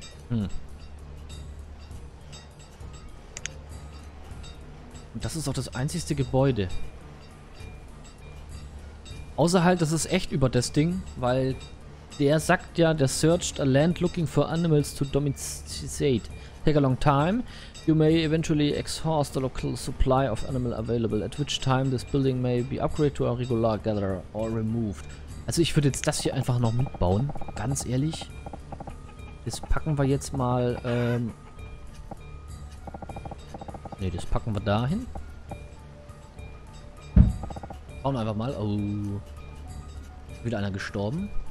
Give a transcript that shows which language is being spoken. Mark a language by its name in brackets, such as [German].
[German] Und das ist auch das einzigste Gebäude. Außer halt, das ist echt über das Ding, weil der sagt ja, der [English] searched a land looking for animals to domesticate. Take a long time. You may eventually exhaust the local supply of animal available, at which time this building may be upgraded to a regular gatherer or removed. [German] Also ich würde jetzt das hier einfach noch mitbauen, ganz ehrlich. Das packen wir jetzt mal, ne, das packen wir da hin. Bauen einfach mal, oh. Wieder einer gestorben.